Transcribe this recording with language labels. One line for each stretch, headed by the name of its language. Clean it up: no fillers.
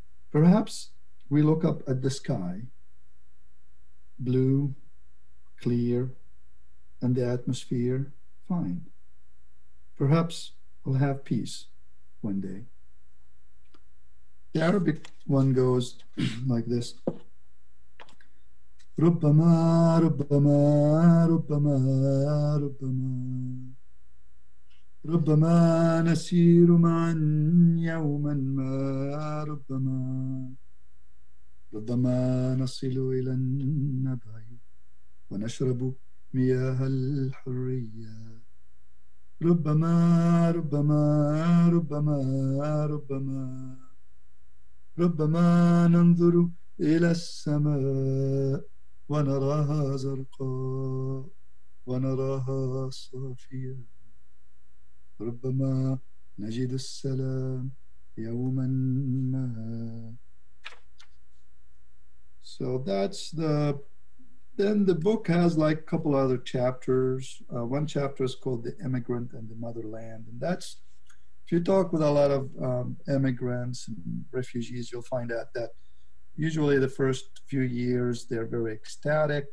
English: Perhaps we look up at the sky, blue, clear, and the atmosphere fine. Perhaps we'll have peace one day. The Arabic one goes like this.
Arabic: ربما ربما ربما ربما ربما نسير معا يوما ما ربما ربما نصل إلى النبع ونشرب مياه الحرية ربما ربما ربما ربما ربما ننظر إلى السماء ونراها زرقاء ونراها صافية ربما نجد السلام يوما ما.
English: So that's the, then the book has like a couple other chapters. One chapter is called The Immigrant and the Motherland. And that's, if you talk with a lot of immigrants and refugees, you'll find out that usually the first few years, they're very ecstatic.